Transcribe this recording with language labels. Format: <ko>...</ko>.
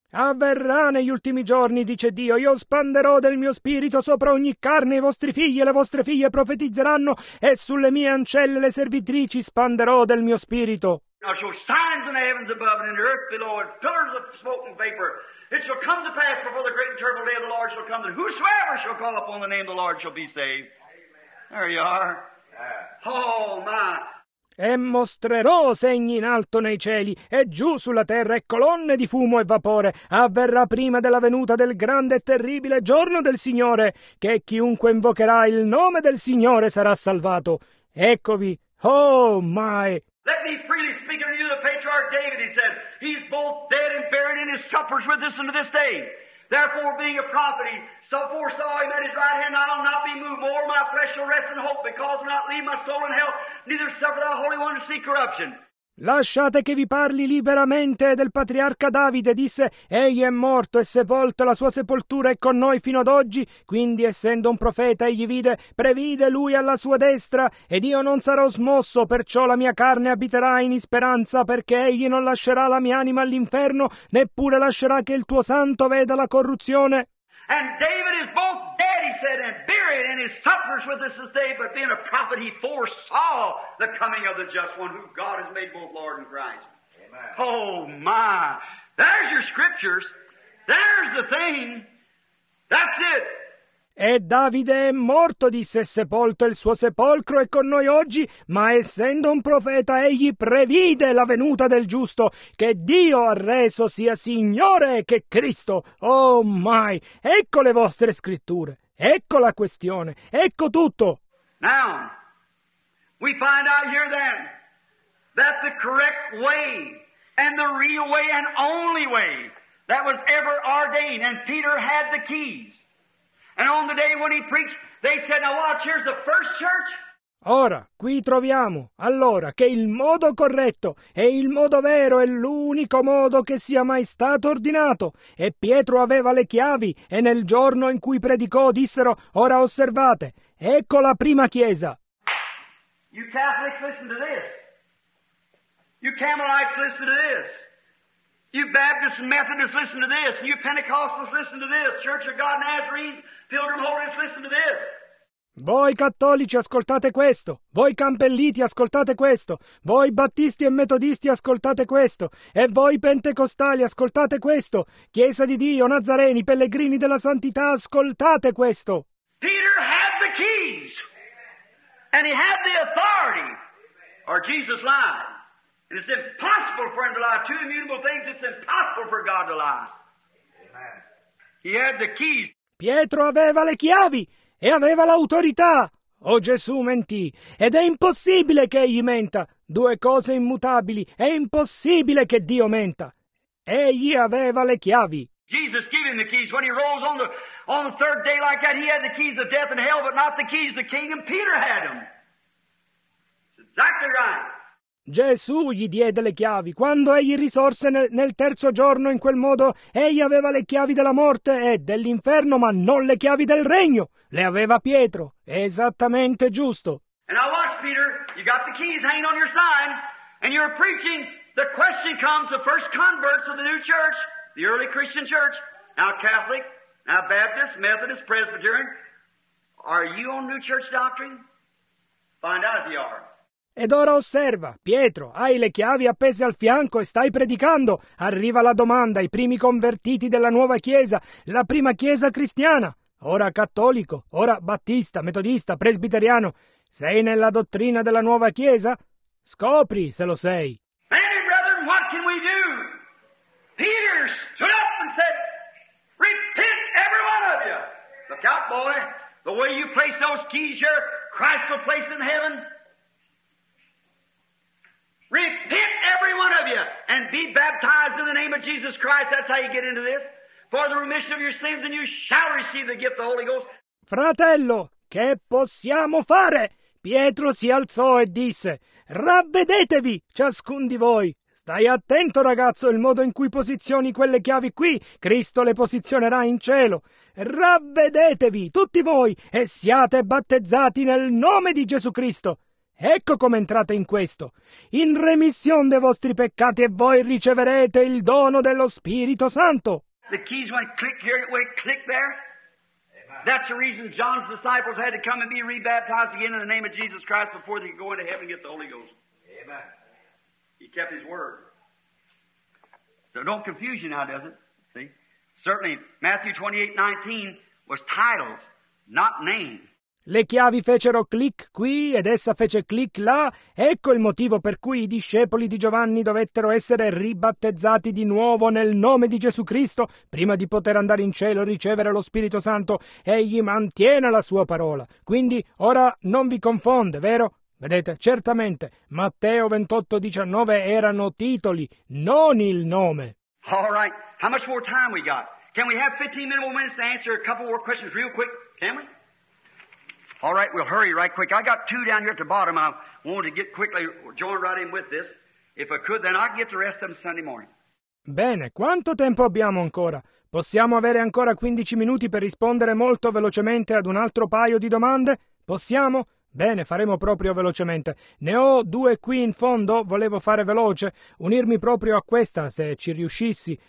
<it>Avverrà negli ultimi giorni, dice Dio, io spanderò del mio spirito sopra ogni carne, i vostri figli e le vostre figlie profetizzeranno, e sulle mie ancelle le servitrici spanderò del mio spirito.</it> <en>I shall signs in the heavens above and in the earth below, and pillars of smoke and vapor. It shall come to pass before the great and terrible day of the Lord shall come, and whosoever shall call upon the name of the Lord shall be saved. Amen. There you are. Yeah. Oh, my.</en> <it>e mostrerò segni in alto nei cieli e giù sulla terra e colonne di fumo e vapore. Avverrà prima della venuta del grande e terribile giorno del Signore, che chiunque invocherà il nome del Signore sarà salvato. Eccovi,</it> <en>oh my! Let me freely speak unto you the patriarch David, he said. He's both dead and buried in his suppers with us unto this day. Therefore, being a prophet, so foresaw him at his right hand, I'll not be moved, more my flesh shall rest in hope, because I'll not leave my soul in hell, neither suffer thy Holy One to see corruption.</en> <it>Lasciate che vi parli liberamente del patriarca Davide, disse, egli è morto e sepolto, la sua sepoltura è con noi fino ad oggi, quindi essendo un profeta egli vide, previde lui alla sua destra, ed io non sarò smosso, perciò la mia carne abiterà in speranza, perché egli non lascerà la mia anima all'inferno, neppure lascerà che il tuo santo veda la corruzione.</it> <en>And David is both dead, he said, and buried, and he suffers with us this day, but being a prophet, he foresaw the coming of the just one, who God has made both Lord and Christ. Amen. Oh, my. There's your scriptures. There's the thing. That's it.</en> <it>E Davide è morto, disse, sepolto, il suo sepolcro è con noi oggi, ma essendo un profeta, egli previde la venuta del giusto, che Dio ha reso sia Signore che Cristo.</it> <en>Oh my!</en> <it>Ecco le vostre scritture, ecco la questione, ecco tutto.</it> <en>Now, we find out here then, that the correct way, and the real way, and only way, that was ever ordained, and Peter had the keys. And on the day when he preached, they said, now watch, here's the first church.</en> <it>Ora, qui troviamo, allora, che il modo corretto e il modo vero è l'unico modo che sia mai stato ordinato. E Pietro aveva le chiavi, e nel giorno in cui predicò dissero, ora osservate, ecco la prima chiesa.</it> <en>You Catholics, listen to this. You Camelites, listen to this. You Baptists and Methodists, listen to this. You Pentecostals, listen to this. Church of God, Nazarenes, Pilgrim Holiness, listen to this.</en> <it>Voi cattolici, ascoltate questo. Voi campelliti, ascoltate questo. Voi battisti e metodisti, ascoltate questo. E voi pentecostali, ascoltate questo. Chiesa di Dio, Nazareni, pellegrini della santità, ascoltate questo.</it> <en>Peter had the keys. And he had the authority. Or Jesus lied. And it's impossible for him to lie. Two immutable things, it's impossible for God to lie. Amen. He had the keys.</en> <it>Pietro aveva le chiavi e aveva l'autorità. O Gesù mentì. Ed è impossibile che egli menta. Due cose immutabili. È impossibile che Dio menta. Egli aveva le chiavi.</it> <en>Jesus gave him the keys. When he rose on the third day like that, he had the keys of death and hell, but not the keys of the kingdom. Peter had them. It's exactly right.</en> <it>Gesù gli diede le chiavi. Quando egli risorse nel terzo giorno in quel modo, egli aveva le chiavi della morte e dell'inferno, ma non le chiavi del regno. Le aveva Pietro. È esattamente giusto.</it> <en>And I watched Peter. You got the keys hanging on your sign. And you're preaching. The question comes, the first converts of the new church, the early Christian church, now Catholic, now Baptist, Methodist, Presbyterian, are you on new church doctrine? Find out if you are.</en> <it>Ed ora osserva, Pietro, hai le chiavi appese al fianco e stai predicando. Arriva la domanda, i primi convertiti della nuova chiesa, la prima chiesa cristiana. Ora cattolico, ora battista, metodista, presbiteriano. Sei nella dottrina della nuova chiesa? Scopri se lo sei.</it> <en>Many brethren, what can we do? Peter stood up and said, repent every one of you. Look out, boy, the way you place those keys here, Christ will place in heaven. Repent, every one of you, and be baptized in the name of Jesus Christ. That's how you get into this. For the remission of your sins, and you shall receive the gift of the Holy Ghost.</en> <it>Fratello, che possiamo fare? Pietro si alzò e disse, ravvedetevi, ciascun di voi. Stai attento, ragazzo, il modo in cui posizioni quelle chiavi qui. Cristo le posizionerà in cielo. Ravvedetevi, tutti voi, e siate battezzati nel nome di Gesù Cristo. Ecco come entrate in questo. In remissione dei vostri peccati e voi riceverete il dono dello Spirito Santo.</it> <en>The keys went click here, it went click there. Amen. That's the reason John's disciples had to come and be rebaptized again in the name of Jesus Christ before they could go into heaven and get the Holy Ghost. Amen. He kept his word. So don't confuse you now, does it? See? Certainly, Matthew 28:19 was titles, not names.</en> <it>Le chiavi fecero clic qui ed essa fece clic là. Ecco il motivo per cui i discepoli di Giovanni dovettero essere ribattezzati di nuovo nel nome di Gesù Cristo prima di poter andare in cielo e ricevere lo Spirito Santo. Egli mantiene la sua parola. Quindi ora non vi confonde, vero? Vedete, certamente, Matteo 28:19 erano titoli, non il nome.</it> <en>All right, how much more time we got? Can we have 15 minutes to answer a couple more questions real quick? Can we? All right, we'll hurry right quick. I got two down here at the bottom. I wanted to get quickly joined right in with this. If I could, then I'd get the rest of them Sunday morning.</en> <it>Bene, quanto tempo abbiamo ancora? Possiamo avere ancora 15 minuti per rispondere molto velocemente ad un altro paio di domande? Possiamo? Bene, faremo proprio velocemente. Ne ho due qui in fondo, volevo fare veloce, unirmi proprio a questa se ci riuscissi.</it>